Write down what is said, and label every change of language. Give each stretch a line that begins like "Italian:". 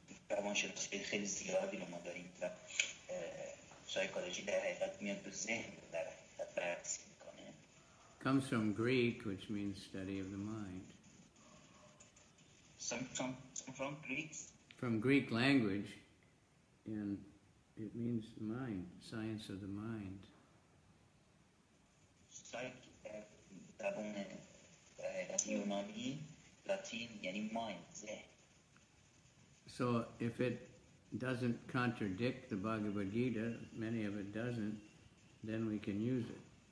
Persian: روانشناسی خیلی زیادی رو ما داریم و سایکولوژی در حقیقت میاد به ذهن در حقیقت برس میکنه
English: comes from Greek, which means study of the mind. Some from Greek? From Greek language, and it means mind, science of the mind.
Persian: Psych, در اون یونانی, لاتین, یعنی mind, ذهن.
English: So if it doesn't contradict the Bhagavad Gita, many of it doesn't, then we can use it.